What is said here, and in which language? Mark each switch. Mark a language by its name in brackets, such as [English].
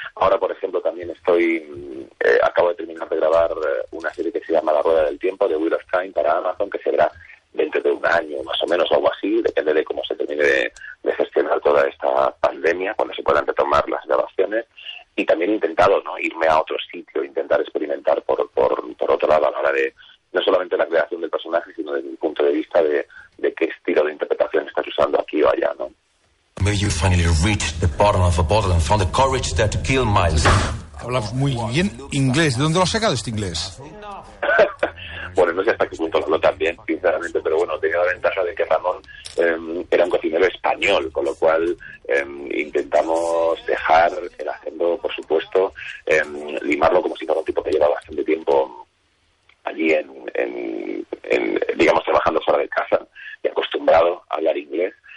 [Spanish] Ahora, por ejemplo, también acabo de terminar de grabar una serie que se llama La Rueda del Tiempo, de Wheel of Time, para Amazon, que se verá dentro de un año más o menos o algo así, depende de cómo se termine de gestionar toda esta pandemia, cuando se puedan retomar las grabaciones. Y también he intentado, ¿no?, irme a otro sitio, intentar experimentar por otro lado a la hora de no solamente la creación del personaje, sino desde el punto de vista de qué estilo de interpretación estás usando aquí o allá, ¿no? [English] Maybe you finally reached the bottom of a bottle and found the courage there to kill Miles. [Spanish] Hablas muy bien inglés. ¿De dónde lo has sacado este inglés? Bueno, no sé hasta qué punto hablo tan bien, sinceramente, pero bueno, tenía la ventaja de que Ramón era un cocinero español, con lo cual intentamos dejar el acento, por supuesto, limarlo como si fuera un tipo que lleva bastante tiempo allí en digamos, trabajando fuera de casa y acostumbrado a hablar inglés.